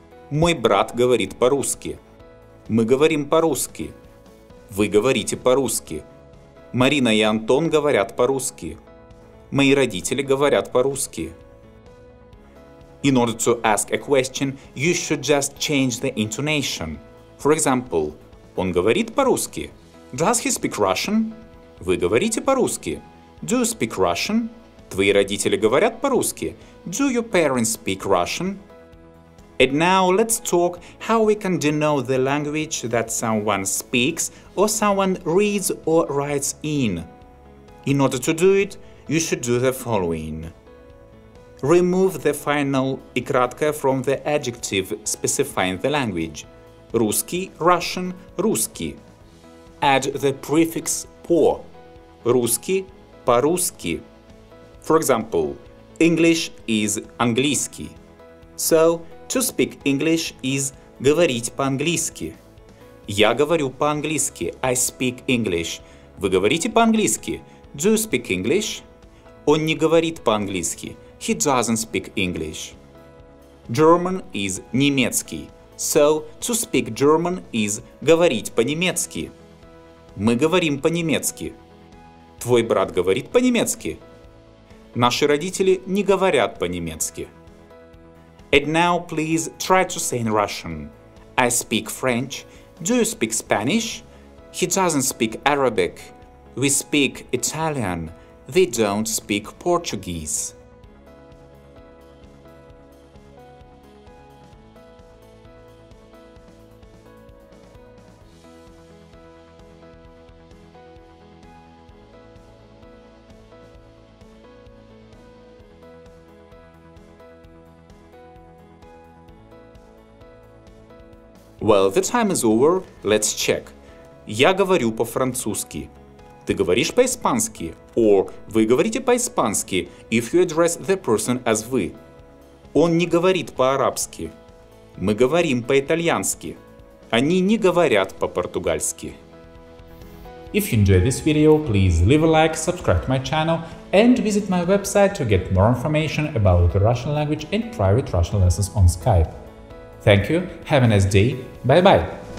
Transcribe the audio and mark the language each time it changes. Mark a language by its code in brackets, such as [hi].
[ru] Мой брат говорит по-русски. Мы говорим по-русски. Вы говорите по-русски. Марина и Антон говорят по-русски. Мои родители говорят по-русски. [en] In order to ask a question, you should just change the intonation. For example, [ru] он говорит по-русски. [en] Does he speak Russian? [ru] Вы говорите по-русски. [en] Do you speak Russian? [ru] Твои родители говорят по-русски. [en] Do your parents speak Russian? And now let's talk how we can denote the language that someone speaks or someone reads or writes in. In order to do it, you should do the following. Remove the final и краткое from the adjective specifying the language. Русский, Russian, русский. Add the prefix по. Русский, по-русски. For example, English is английский. So, to speak English is [ru] говорить по-английски. Я говорю по-английски. [en] I speak English. [ru] Вы говорите по-английски. [en] Do you speak English? [ru] Он не говорит по-английски. [en] He doesn't speak English. German is немецкий. So, to speak German is [ru] говорить по-немецки. Мы говорим по-немецки. Твой брат говорит по-немецки. Наши родители не говорят по-немецки. [en] And now, please, try to say in Russian. I speak French. Do you speak Spanish? He doesn't speak Arabic. We speak Italian. They don't speak Portuguese. Well, the time is over. Let's check. [ru] Я говорю по-французски. Ты говоришь по-испански? [en] Or [ru] вы говорите по-испански, [en] if you address the person as вы. [ru] Он не говорит по-арабски. Мы говорим по-итальянски. Они не говорят по-португальски. [en] If you enjoyed this video, please leave a like, subscribe to my channel, and visit my website to get more information about the Russian language and private Russian lessons on Skype. Thank you, have a nice day, bye-bye!